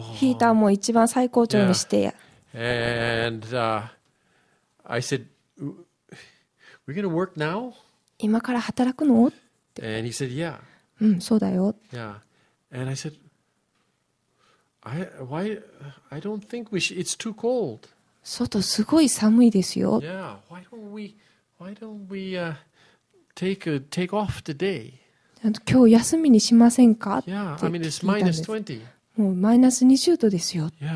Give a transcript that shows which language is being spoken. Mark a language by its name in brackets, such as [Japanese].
[Japanese] ヒーターも一番最高潮にして、 [English] And I said, "We're gonna work now?" [Japanese] 今から働くの？って。 [English] And he said, "Yeah." [Japanese] うん、そうだよ。 [English] Yeah. And I said, "I don't think we should. It's too cold." [Japanese] 外すごい寒いですよ。 [English] Yeah. Why don't we take off today? [Japanese] 今日休みにしませんか？って聞いたんです。もうマイナス20度ですよ。